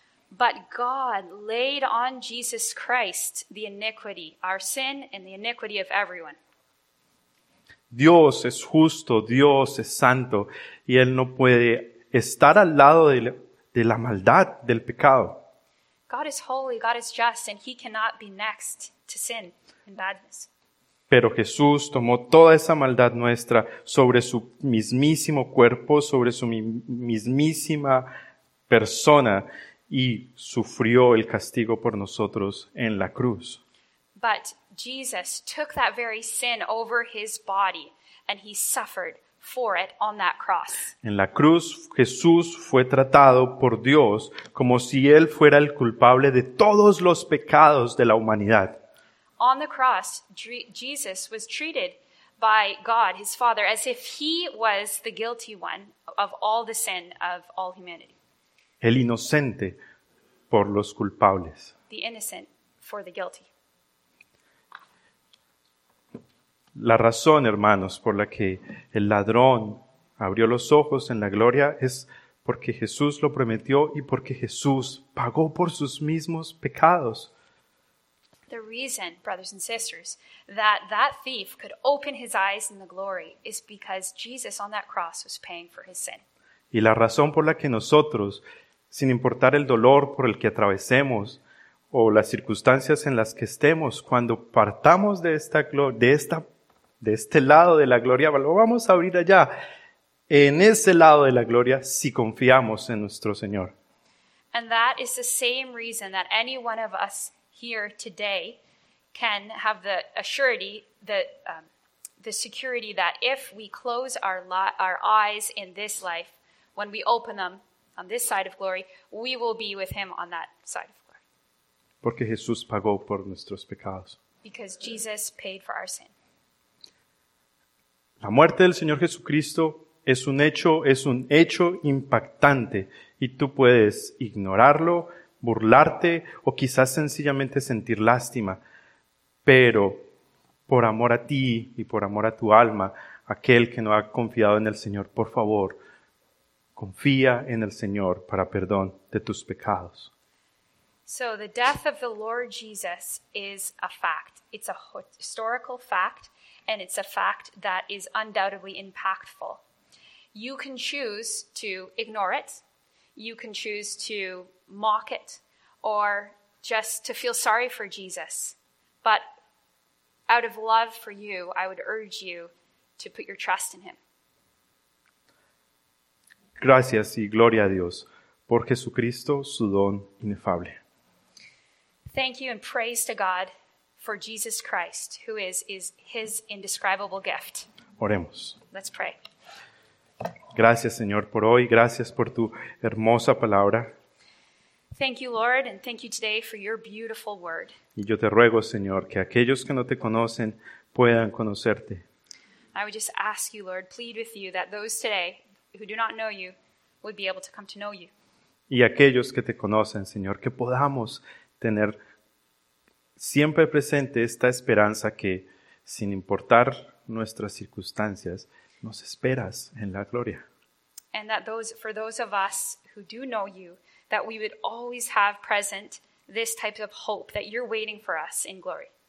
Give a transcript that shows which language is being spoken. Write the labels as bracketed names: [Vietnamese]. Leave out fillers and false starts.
[English] But God laid on Jesus Christ the iniquity, our sin and the iniquity of everyone. [Spanish] Dios es justo, Dios es santo, y Él no puede estar al lado de la maldad, del pecado. [English] God is holy, God is just, and He cannot be next to sin and badness. [Spanish] Pero Jesús tomó toda esa maldad nuestra sobre su mismísimo cuerpo, sobre su mismísima persona y sufrió el castigo por nosotros en la cruz. [English] But Jesus took that very sin over his body and he suffered for it on that cross. [Spanish] En la cruz, Jesús fue tratado por Dios como si él fuera el culpable de todos los pecados de la humanidad. [English] on the cross, Jesus was treated by God, his Father, as if he was the guilty one of all the sin of all humanity. [Spanish] El inocente por los culpables. [English] The innocent for the guilty. [Spanish] La razón, hermanos, por la que el ladrón abrió los ojos en la gloria es porque Jesús lo prometió y porque Jesús pagó por sus mismos pecados. [English] The reason, brothers and sisters, that that thief could open his eyes in the glory is because Jesus on that cross was paying for his sin. [Spanish] Y la razón por la que nosotros, sin importar el dolor por el que atravesemos o las circunstancias en las que estemos, cuando partamos de esta gloria, de este lado de la gloria, lo vamos a abrir allá, en ese lado de la gloria, si confiamos en nuestro Señor. [English] And that is the same reason that any one of us here today can have the assurity, the security that if we close our eyes in this life, when we open them on this side of glory, we will be with him on that side of glory. [Spanish] Porque Jesús pagó por nuestros pecados. [English] Because Jesus paid for our sin. [Spanish] La muerte del Señor Jesucristo es un hecho impactante, y tú puedes ignorarlo, burlarte o quizás sencillamente sentir lástima, pero por amor a ti y por amor a tu alma, aquel que no ha confiado en el Señor, por favor, confía en el Señor para perdón de tus pecados. [English] So the death of the Lord Jesus is a fact. It's a historical fact. And it's a fact that is undoubtedly impactful. You can choose to ignore it. You can choose to mock it or just to feel sorry for Jesus. But out of love for you, I would urge you to put your trust in him. [Spanish] Gracias y gloria a Dios por Jesucristo, su don inefable. [English] Thank you and praise to God for Jesus Christ, who is his indescribable gift. [Spanish] Oremos. [English] Let's pray. [Spanish] Gracias, Señor, por hoy. Gracias por tu hermosa palabra. [English] Thank you, Lord, and thank you today for your beautiful word. [Spanish] Y yo te ruego, Señor, que aquellos que no te conocen puedan conocerte. [English] I would just ask you, Lord, plead with you that those today who do not know you would be able to come to know you. [Spanish] Y aquellos que te conocen, Señor, que podamos tener siempre presente esta esperanza que, sin importar nuestras circunstancias, nos esperas en la gloria. [English] And that those, for those of us who do know you, that we would always have present this type of hope that you're waiting for us in glory.